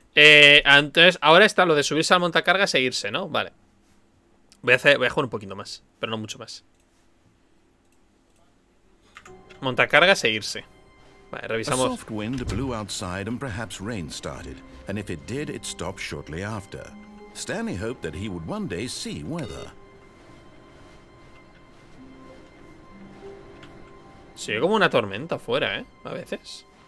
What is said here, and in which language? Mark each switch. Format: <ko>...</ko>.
<es>Entonces, ahora está lo de subirse al montacargas e irse, ¿no? Vale. Voy a jugar un poquito más, pero no mucho más. Montacargas e irse. Vale, revisamos.</es> <en>A soft wind blew outside and perhaps rain started, and if it did, it stopped shortly after. Stanley hoped that he would one day see weather.</en> <es>Se oye como una tormenta afuera, ¿eh? A veces.</es>